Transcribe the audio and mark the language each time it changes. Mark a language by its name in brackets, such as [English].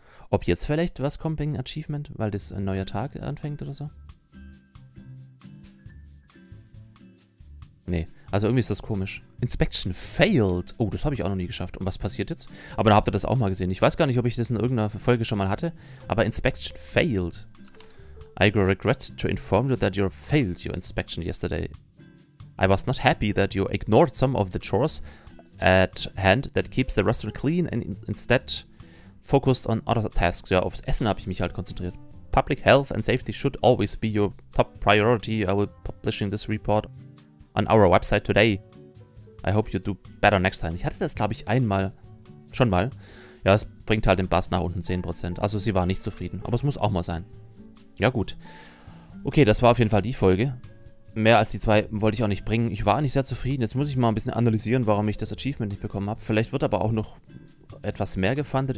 [German] Ob jetzt vielleicht was kommt wegen Achievement, weil das ein neuer Tag anfängt oder so? Nee, also irgendwie ist das komisch. Inspection failed. Oh, das habe ich auch noch nie geschafft. Und was passiert jetzt? Aber da habt ihr das auch mal gesehen. Ich weiß gar nicht, ob ich das in irgendeiner Folge schon mal hatte. Aber Inspection failed. [English] I regret to inform you that you failed your inspection yesterday. I was not happy that you ignored some of the chores at hand that keeps the restaurant clean and instead focused on other tasks. [German] Ja, aufs Essen habe ich mich halt konzentriert. [English] Public health and safety should always be your top priority. I will publishing this report on our website today. I hope you do better next time. [German] Ich hatte das, glaube ich, einmal. Schon mal. Ja, es bringt halt den Bass nach unten 10%. Also sie war nicht zufrieden. Aber es muss auch mal sein. Ja, gut. Okay, das war auf jeden Fall die Folge. Mehr als die zwei wollte ich auch nicht bringen. Ich war nicht sehr zufrieden. Jetzt muss ich mal ein bisschen analysieren, warum ich das Achievement nicht bekommen habe. Vielleicht wird aber auch noch etwas mehr gefundet.